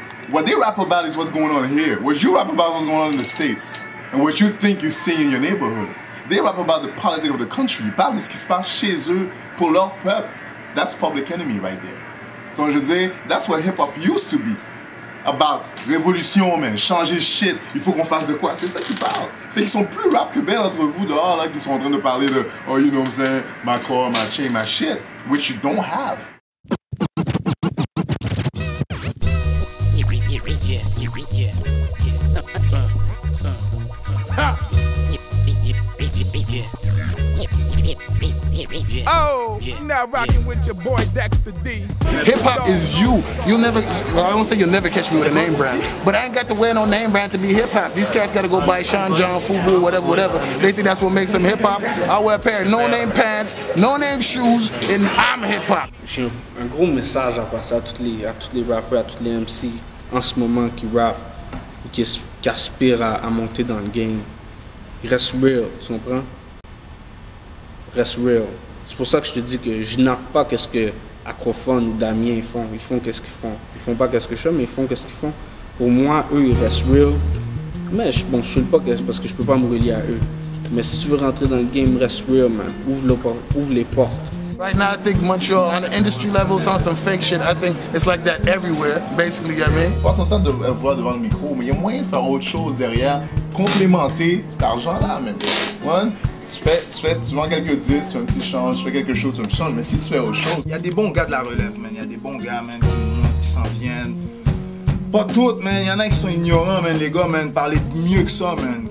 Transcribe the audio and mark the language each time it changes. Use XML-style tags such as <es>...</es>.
<en>What they rap about is what's going on here. What you rap about is what's going on in the States. And what you think you see in your neighborhood. They rap about the politics of the country.</en> <fr>Ils parlent de ce qui se passe chez eux pour leur peuple.</fr> <en>That's public enemy right there. So,</en> <fr>je dis,</fr> <en>that's what hip-hop used to be.</en> <fr>About révolution, man, changer shit, il faut qu'on fasse de quoi. C'est ça qu'ils parlent. Fait qu'ils sont plus rap que belles entre vous dehors, là, qui sont en train de parler de,</fr> <en>oh, you know what I'm saying, my car, my chain, my shit, which you don't have. Now rocking with your boy Dexter D. Hip hop is you. You'll never, well, I won't say you'll never catch me with a name brand, but I ain't got to wear no name brand to be hip hop. These cats gotta go buy Sean John, Fubu, whatever, whatever. They think that's what makes them hip hop. I wear a pair of no name pants, no name shoes, and I'm hip hop.</en> <fr>J'ai un gros message à passer à tous les rappers, à tous les MC en ce moment qui rap, qui aspirent à monter dans le game. Reste real, tu comprends? Reste real. C'est pour ça que je te dis que je n'ai pas qu'est-ce que Acrophone ou Damien font. Ils font qu'est-ce qu'ils font. Ils font pas qu'est-ce que je fais, mais ils font qu'est-ce qu'ils font. Pour moi, eux, ils restent real. Mais bon, je ne suis pas parce que je peux pas me relier à eux. Mais si tu veux rentrer dans le game, reste real, man. Ouvre les portes.</fr> <en>Right now, I think Montreal, on the industry level, sounds some fake shit. I think it's like that everywhere, basically, you know what I mean?</en> <fr>On s'entend de voir devant le micro, mais il y a moyen de faire autre chose derrière, complémenter cet argent-là, man. One. Tu vends quelques 10, tu fais un petit change, tu fais quelque chose, tu me changes, mais si tu fais autre chose. Il y a des bons gars de la relève, man. Il y a des bons gars, man, qui s'en viennent. Pas toutes, man. Il y en a qui sont ignorants, man, les gars, man. Parlez mieux que ça, man.</fr>